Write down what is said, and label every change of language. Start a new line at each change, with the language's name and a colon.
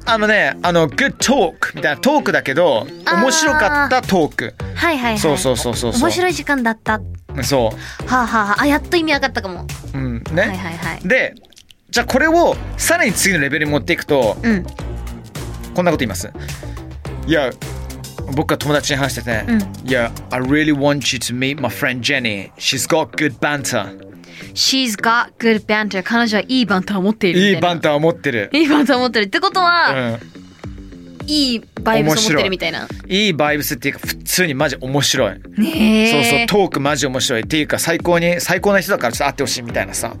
Japanese: あのね、あの、
English: Good talk
Japanese: みたいな、トークだけど、面白かったトーク。はいはいはい。そうそうそうそう。面白い時間だった。そう。はあ、ははあ、あ、やっと意味わかったかも。うん。ね。はいはいはい。で、じゃあこれをさらに次のレベルに持っていくと、うん、こんなこと言います。いや、僕が友達に話してて、うん、
English: いや、I really want you to meet my friend Jenny. She's got good banter. She's got good banter.
Japanese: 彼女はいいバンターを持っているみたいな。いいバンターを持ってる。いいバンターを持ってる。ってことは、うん、いいバイブスを持ってるみたいな。いいバイブスっていうか普通にマジ面白い。ねえ。そうそう、トークマジ面白いっていうか最高に最高な人だからちょっと会ってほしいみたいなさ。